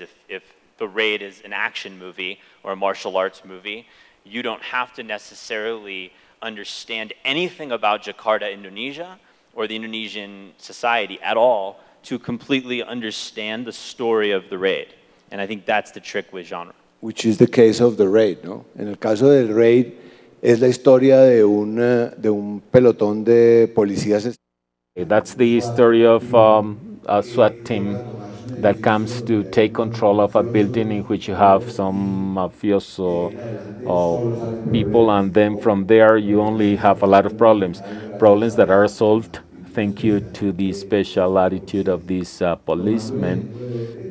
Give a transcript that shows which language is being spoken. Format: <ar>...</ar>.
<en>If The Raid is an action movie or a martial arts movie, you don't have to necessarily understand anything about Jakarta, Indonesia, or the Indonesian society at all to completely understand the story of The Raid. And I think that's the trick with genre. Which is the case of The Raid, no?</en> <es>En el caso del Raid, es la historia de un pelotón de policías.</es> <en>That's the story of a SWAT team that comes to take control of a building in which you have some mafioso people, and then from there you only have a lot of problems. Problems that are solved, thank you to the special attitude of these policemen.</en>